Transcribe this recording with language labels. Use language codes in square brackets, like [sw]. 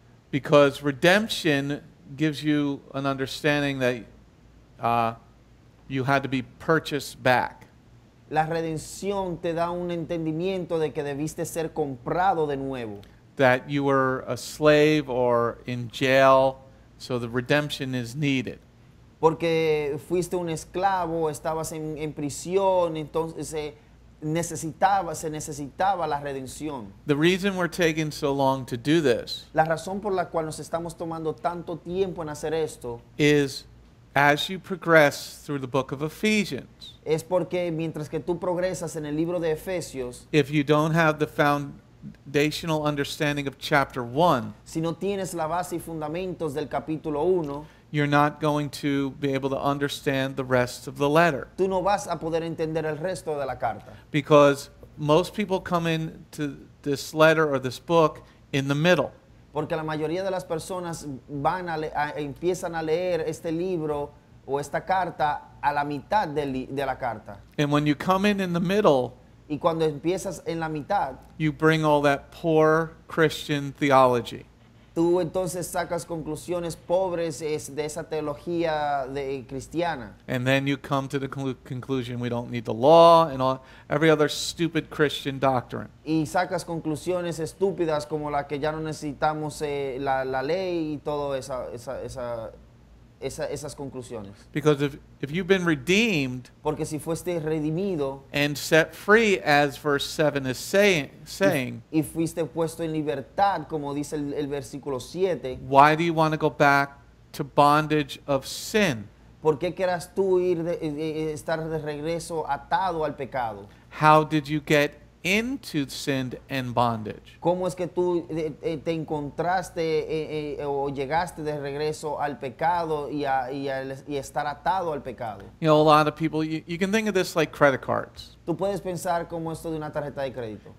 [en] Because redemption gives you an understanding that you had to be purchased back. [es] La redención te da un entendimiento de que debiste ser comprado de nuevo. [en] That you were a slave or in jail, so the redemption is needed. [es] Porque fuiste un esclavo, estabas en prisión, entonces se necesitaba la redención. [en] The reason we're taking so long to do this, [es] la razón por la cual nos estamos tomando tanto tiempo en hacer esto, [en] is as you progress through the book of Ephesians. [es] Es porque mientras que tú progresas en el libro de Efesios, [en] if you don't have the foundational understanding of chapter 1, [es] si no tienes la base y fundamentos del capítulo 1, [en] you're not going to be able to understand the rest of the letter. [es] Tú no vas a poder entender el resto de la carta. [en] Because most people come in to this letter or this book in the middle. [es] Porque la mayoría de las personas van empiezan a leer este libro o esta carta a la mitad de la carta. [en] And when you come in the middle, [es] y cuando empiezas en la mitad, [en] you bring all that poor Christian theology. [es] Tú entonces sacas conclusiones pobres de esa teología de cristiana. [en] And then you come to the conclusion we don't need the law and all, every other stupid Christian doctrine. [es] Y sacas conclusiones estúpidas como la que ya no necesitamos la ley y todo esas conclusiones. [en] Because if you've been redeemed, [es] porque si fuiste redimido, [en] and set free as verse 7 is saying, [es] y fuiste puesto en libertad como dice el versículo 7, [en] why do you want to go back to bondage of sin? [es] ¿Por qué querías tú ir estar de regreso atado al pecado? [en] How did you get into sin and bondage? [es] ¿Cómo es que tú te encontraste o llegaste de regreso al pecado y estar atado al pecado? [en] You know, a lot of people, you can think of this like credit cards. [es] Tú puedes pensar como esto de una tarjeta de crédito.